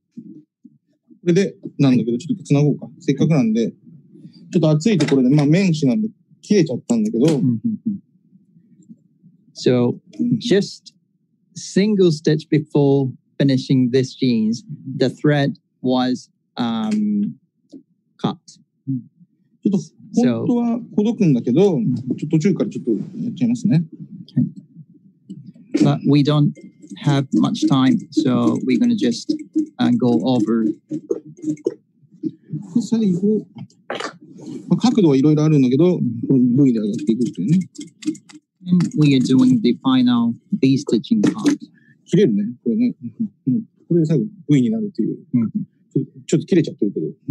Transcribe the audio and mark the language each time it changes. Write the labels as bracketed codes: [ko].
[ja] これでなんだけど、ちょっとつなごうか。せっかくなんで、ちょっと熱いところで、まあ面紙なんで切れちゃったんだけど。 [en] So, just single stitch before finishing this jeans, the thread was cut. [ja] ちょっと本当はほどくんだけど、ちょっと途中からちょっとやっちゃいますね。 [en] But we don't have much time, so we're going to just go over. [ja] 最後、まあ、角度はいろいろあるんだけど、この部位で上がっていくというね。 [en] And we are doing the final V stitching part. [ja] 切れるね、これね。これで最後、V になるという。ちょっと切れちゃってるけど。